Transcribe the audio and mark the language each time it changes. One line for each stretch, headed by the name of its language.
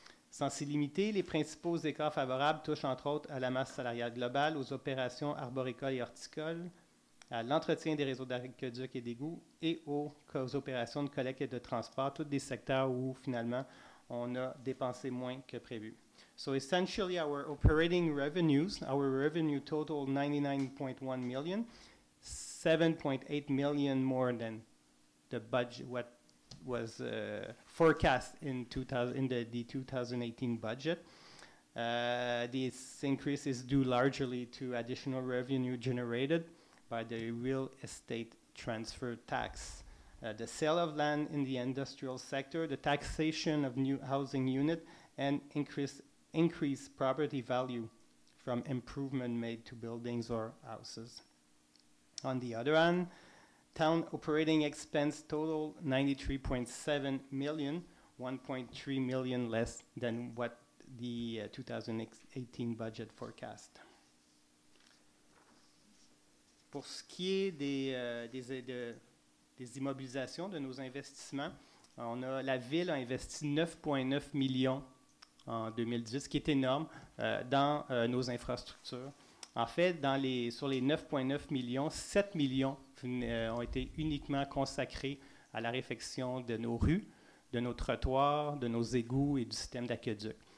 French: Sans s'y limiter, les principaux écarts favorables touchent entre autres à la masse salariale globale, aux opérations arboricoles et horticoles, à l'entretien des réseaux d'aqueducs et d'égouts et aux opérations de collecte et de transport, tous des secteurs où finalement on a dépensé moins que prévu.
English: So essentially our operating revenues, our revenue totaled 99.1 million, 7.8 million more than the budget, what was forecast in the 2018 budget. This increase is due largely to additional revenue generated by the real estate transfer tax, the sale of land in the industrial sector, the taxation of new housing unit, and increased property value from improvement made to buildings or houses. On the other hand, town operating expense totaled 93.7 million, 1.3 million less than what the 2018 budget forecast.
French: Pour ce qui est des immobilisations de nos investissements, la ville a investi 9,9 millions en 2018, ce qui est énorme dans nos infrastructures. En fait, sur les 9,9 millions, 7 millions ont été uniquement consacrés à la réfection de nos rues, de nos trottoirs, de nos égouts et du système d'aqueduc.